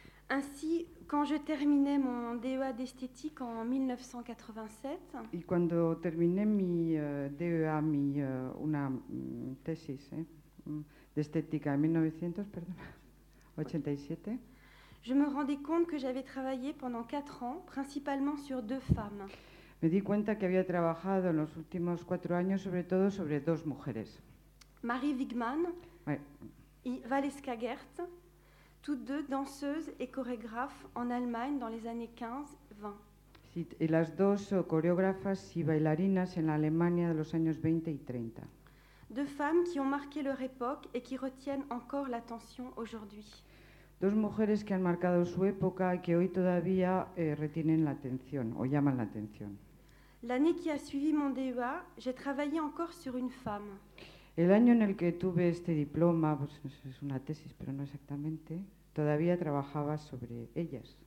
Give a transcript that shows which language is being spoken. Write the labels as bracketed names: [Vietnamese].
[French] Ainsi, quand je terminais mon DEA d'esthétique en 1987. [Spanish] Y cuando terminé mi DEA, mi una tesis d'esthétique en 1987. [French] Je me rendais compte que j'avais travaillé pendant 4 ans, principalement sur 2 femmes. [Spanish] Me di cuenta que había trabajado en los últimos 4 años, sobre todo sobre 2 mujeres. [French] Marie Wigman. Ouais. [Spanish] Y Valeska Gert. [French] Toutes deux danseuses et chorégraphes en Allemagne dans les années 15-20. [Spanish] Sí, y las dos coreógrafas y bailarinas en la Alemania de los años 20 y 30. [French] Deux femmes qui ont marqué leur époque et qui retiennent encore l'attention aujourd'hui. [Spanish] Dos mujeres que han marcado su época y que hoy todavía retienen la atención o llaman la atención. [French] L'année qui a suivi mon DEA, j'ai travaillé encore sur une femme. [Spanish] El año en el que tuve este diploma, pues es una tesis, pero no exactamente, todavía trabajaba sobre ellas.